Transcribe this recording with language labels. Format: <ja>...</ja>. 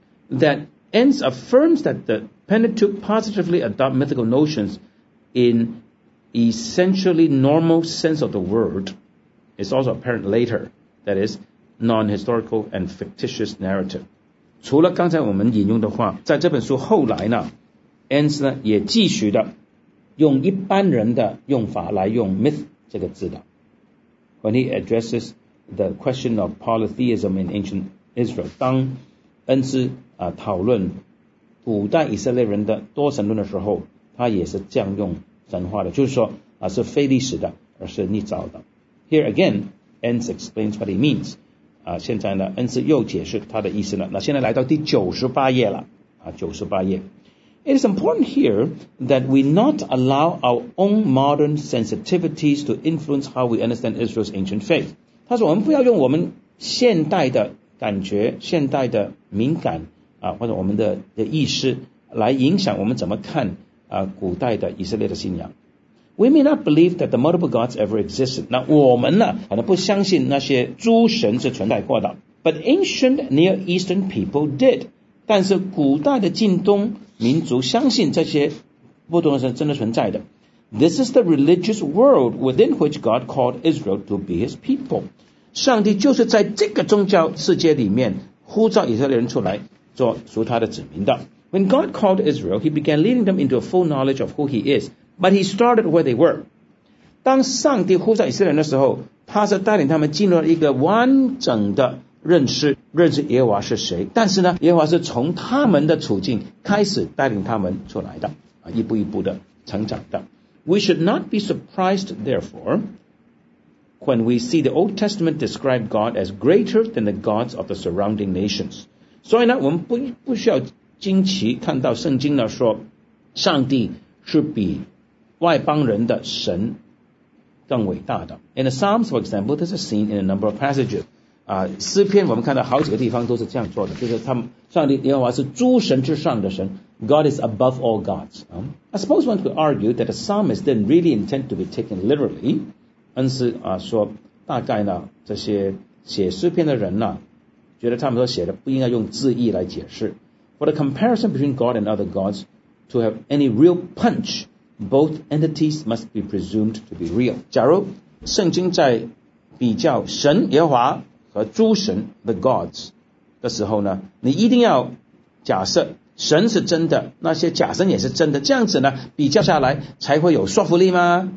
<en>That Enns affirms that the Pentateuch positively adopt mythical notions in essentially normal sense of the word is also apparent later, that is, non-historical and fictitious narrative.</en> <zh>除了刚才我们引用的话，在这本书后来呢 ，Enns 呢也继续的用一般人的用法来用 myth 这个字的。</zh> <en>When he addresses the question of polytheism in ancient Israel,</en> <zh>当恩斯讨论古代以色列人的多神论的时候，他也是这样用神话的，就是说是非历史的，而是捏造的。</zh> <en>Here again, Enns explains what he means.</en> <zh>现在呢，恩斯又解释他的意思了。那现在来到第98页了98页。</zh> <en>It is important here that we not allow our own modern sensitivities to influence how we understand Israel's ancient faith.</en> <zh>他说，我们不要用我们现代的感觉，现代的敏感或者我们的意识来影响我们怎么看古代的以色列的信仰。</zh> <en>We may not believe that the multiple gods ever existed.</en> <zh>那我们呢，可能不相信那些诸神是存在过的。</zh> <en>But ancient Near Eastern people did.</en> <zh>但是古代的近东民族相信这些不同的神真的存在的。</zh> <en>This is the religious world within which God called Israel to be his people.</en> <zh>上帝就是在这个宗教世界里面呼召以色列人出来做属他的子民的。</zh> <en>When God called Israel, he began leading them into a full knowledge of who he is, but he started where they were.</en> <zh>当上帝呼召以色列人的时候，他是带领他们进入了一个完整的认识耶和华是谁，但是呢，耶和华是从他们的处境开始带领他们出来的，一步一步的成长的。</zh> <en>We should not be surprised, therefore, when we see the Old Testament describe God as greater than the gods of the surrounding nations.</en> <zh>所以呢，我们不需要惊奇看到圣经呢说，上帝是比外邦人的神更伟大的。</zh> <en>In the Psalms, for example, this is seen in a number of passages.</en> <zh>诗篇我们看到好几个地方都是这样做的，就是他们上帝耶和华是诸神之上的神。</zh> <en>God is above all gods. I suppose one could argue that a psalmist didn't really intend to be taken literally.</en> <zh>但是说大概呢，这些写诗篇的人呢，觉得他们所写的不应该用字义来解释。</zh> <en>For the comparison between God and other gods to have any real punch, both entities must be presumed to be real.</en> <zh>假如圣经在比较神耶和华和诸神 the gods 的时候呢，你一定要假设神是真的，那些假神也是真的，这样子呢比较下来才会有说服力吗？</zh>